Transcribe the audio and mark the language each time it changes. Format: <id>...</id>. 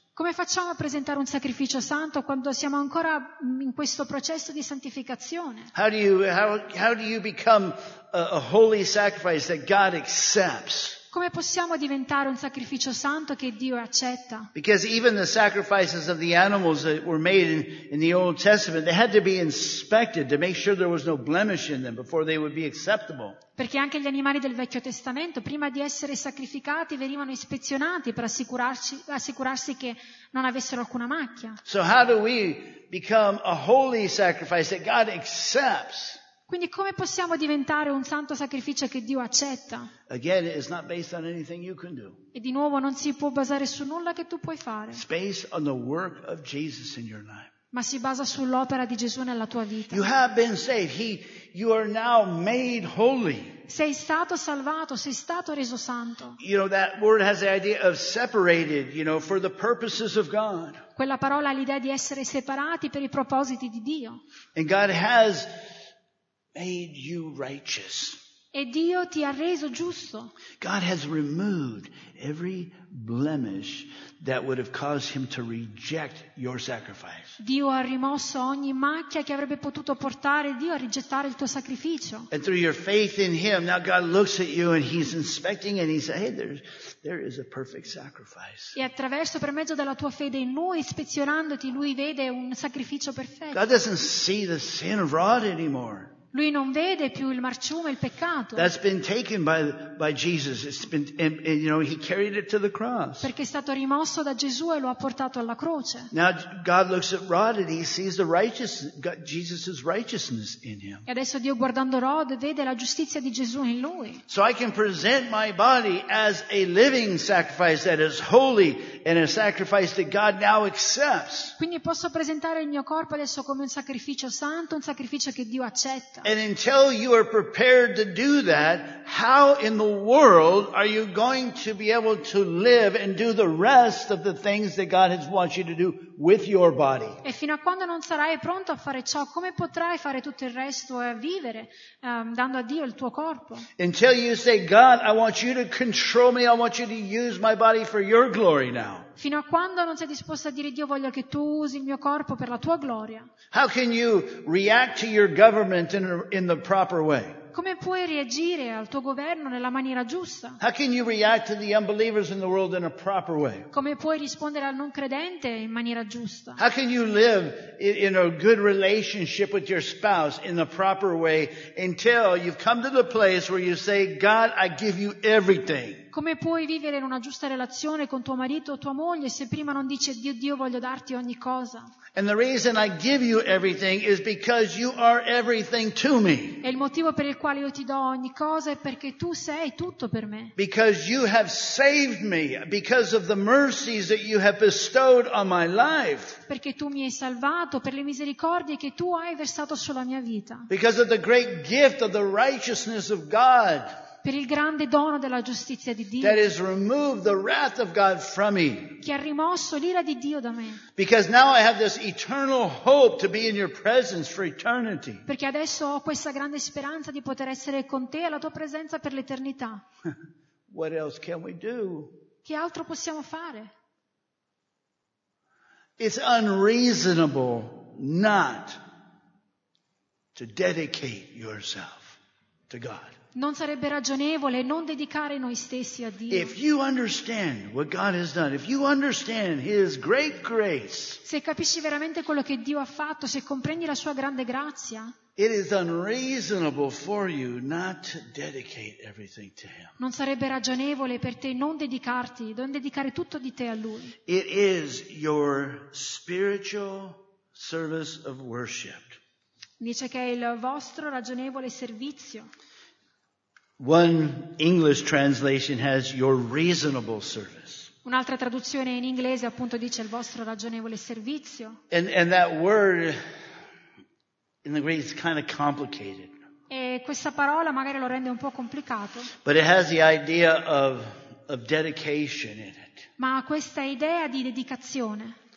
<it>Come facciamo a presentare un sacrificio santo quando siamo ancora in questo processo di santificazione?</it> <en>How do you become a holy sacrifice that God accepts?</en> <it>Come possiamo diventare un sacrificio santo che Dio accetta?</it> <en>Because even the sacrifices of the animals that were made in the Old Testament, they had to be inspected to make sure there was no blemish in them before they would be acceptable.</en> <it>Perché anche gli animali del Vecchio Testamento, prima di essere sacrificati, venivano ispezionati per assicurarsi che non avessero alcuna macchia.</it> <en>So how do we become a holy sacrifice that God accepts?</en> <it>Quindi come possiamo diventare un santo sacrificio che Dio accetta?</it> <en>Again, it's not based on anything you can do.</en> <it>E di nuovo non si può basare su nulla che tu puoi fare.</it> <en>It's based on the work of Jesus in your life.</en> <it>Ma si basa sull'opera di Gesù nella tua vita.</it> <en>You have been saved. You are now made holy.</en> <it>Sei stato salvato, sei stato reso santo.</it> <en>You know, that word has the idea of separated, you know, for the purposes of God.</en> <it>Quella parola ha l'idea di essere separati per i propositi di Dio.</it> <en>And God has made you righteous.</en> <it>E Dio ti ha reso giusto.</it> <en>God has removed every blemish that would have caused him to reject your sacrifice.</en> <it>Dio ha rimosso ogni macchia che avrebbe potuto portare Dio a rigettare il tuo sacrificio.</it> <en>And through your faith in him, now God looks at you and he's inspecting and he says, hey, there is a perfect sacrifice.</en> <it>E attraverso, per mezzo della tua fede in lui, ispezionandoti, lui vede un sacrificio perfetto.</it> <en>God doesn't see the sin wrought anymore.</en> <it>Lui non vede più il marciume, il peccato.</it> <en>That's been taken by Jesus. It's been, and, you know, he carried it to the cross.</en> <it>Perché è stato rimosso da Gesù e lo ha portato alla croce.</it> <en>Now God looks at Rod and he sees the righteousness, Jesus' righteousness in him.</en> <it>E adesso Dio guardando Rod vede la giustizia di Gesù in lui.</it> <en>So I can present my body as a living sacrifice that is holy and a sacrifice that God now accepts.</en> <it>Quindi posso presentare il mio corpo adesso come un sacrificio santo, un sacrificio che Dio accetta.</it> <en>And until you are prepared to do that, how in the world are you going to be able to live and do the rest of the things that God has wanted you to do with your body?</en> <it>E fino a quando non sarai pronto a fare ciò, come potrai fare tutto il resto e vivere dando a Dio il tuo corpo?</it> <en>Until you say, God, I want you to control me, I want you to use my body for your glory now.</en> <it>Fino a quando non sei disposto a dire Dio voglio che tu usi il mio corpo per la tua gloria.</it> <en>How can you react to your government in the proper way?</en> <it>Come puoi reagire al tuo governo nella maniera giusta?</it> <en>How can you react to the unbelievers in the world in a proper way?</en> <it>Come puoi rispondere al non credente in maniera giusta?</it> <en>How can you live in a good relationship with your spouse in the proper way until you've come to the place where you say, God, I give you everything?</en> <it>Come puoi vivere in una giusta relazione con tuo marito o tua moglie se prima non dici Dio, Dio, voglio darti ogni cosa?</it> <en>And the reason I give you everything is because you are everything to me.</en> <it>E il motivo per il quale io ti do ogni cosa è perché tu sei tutto per me.</it> <en>Because you have saved me because of the mercies that you have bestowed on my life.</en> <it>Perché tu mi hai salvato per le misericordie che tu hai versato sulla mia vita.</it> <en>Because of the great gift of the righteousness of God.</en> <it>Per il grande dono della giustizia di Dio.</it> <en>That has removed the wrath of God from me.</en> <it>Che ha rimosso l'ira di Dio da me.</it> <en>Because now I have this eternal hope to be in your presence for eternity.</en> <it>Perché adesso ho questa grande speranza di poter essere con te alla tua presenza per l'eternità.</it> <en>What else can we do?</en> <it>Che altro possiamo fare?</it> <en>It's unreasonable not to dedicate yourself to God.</en> <it>Non sarebbe ragionevole non dedicare noi stessi a Dio.</it> <en>If you understand what God has done, if you understand His great grace,</en> <it>se capisci veramente quello che Dio ha fatto, se comprendi la sua grande grazia,</it> <en>it is unreasonable for you not to dedicate everything to Him.</en> <it>Non sarebbe ragionevole per te non dedicarti, non dedicare tutto di te a Lui.</it> <en>It is your spiritual service of worship.</en> <it>Dice che è il vostro ragionevole servizio.</it> <en>One English translation has your reasonable service.</en> <it>Un'altra traduzione in inglese appunto dice il vostro ragionevole servizio.</it> <en>And that word in the Greek is kind of complicated.</en> <it>E questa parola magari lo rende un po' complicato.</it> <en>But it has the idea of dedication in it.</en> <it>Ma ha questa idea di dedicazione.</it>